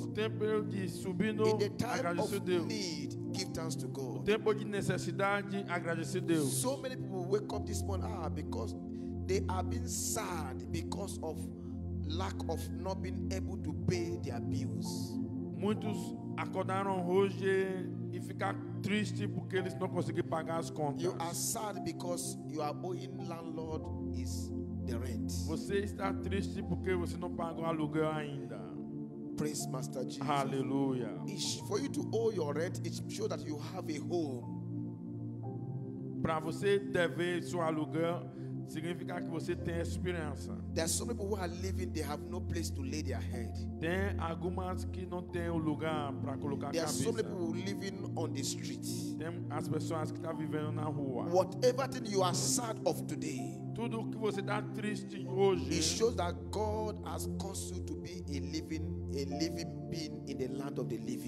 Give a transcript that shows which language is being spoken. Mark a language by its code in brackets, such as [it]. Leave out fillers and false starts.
[pt] No tempo de subindo, [en] in the time [pt] agradecer [en] of [pt] Deus. [en] Need, give thanks to God. [pt] No tempo de necessidade, agradecer a Deus. [en] So many people wake up this morning because they have been sad because of lack of not being able to pay their bills. [pt] Muitos acordaram hoje e ficar triste porque eles não conseguiram pagar as contas. [en] You are sad because you are owing landlord is the rent. [pt] Você está triste porque você não pagou aluguel ainda. [en] Praise Master Jesus. Hallelujah. For you to owe your rent, it shows that you have a home. [pt] Para você dever seu aluguel significa que você tem esperança. [en] There are some people who are living, they have no place to lay their head. [pt] Tem algumas que não tem um lugar para colocar [en] there [pt] cabeça. [en] There are some people living on the street. [pt] Tem as pessoas que tá vivendo na rua. [en] Whatever thing you are sad of today. [pt] Tudo que você tá triste hoje. [en] It shows that God has caused you to be a living being in the land of the living.